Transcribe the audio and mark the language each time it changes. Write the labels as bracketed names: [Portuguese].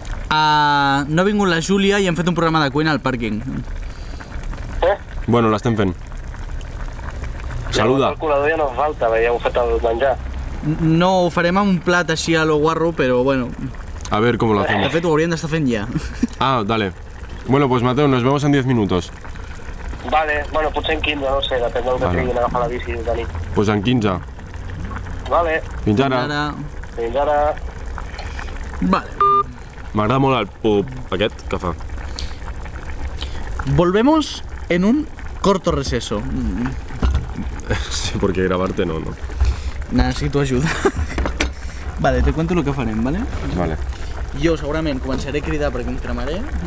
[Catalan] No ha vingut la Júlia i hem fet un programa de cuina al pàrquing. Bueno, l'estem fent. Saluda. El colador ja no falta, ja heu fet el menjar. No, ho farem amb un plat així a lo guarro, però bueno. [Spanish] A ver cómo lo hacemos. [Catalan] De fet, ho hauríem d'estar fent ja. [Spanish] Ah, dale. Bueno, pues Mateu, nos vemos en 10 minutos. [Catalan] Vale, bueno, potser en 15, no sé, depèn del que vale. Triguin a agafar la bici de nit. [Spanish] Pues en 15. Vale. [Catalan] Fins ara. Fins ara. Fins ara. Vale. M'agrada molt el pop aquest que fa. [Spanish] Volvemos en un corto receso. Sí, porque grabarte no. [Catalan] Necessito ajuda. [Spanish] Vale, te cuento lo que [Catalan] farem, [Spanish] ¿vale? Vale. [Catalan] Jo segurament començaré a cridar perquè em cremaré.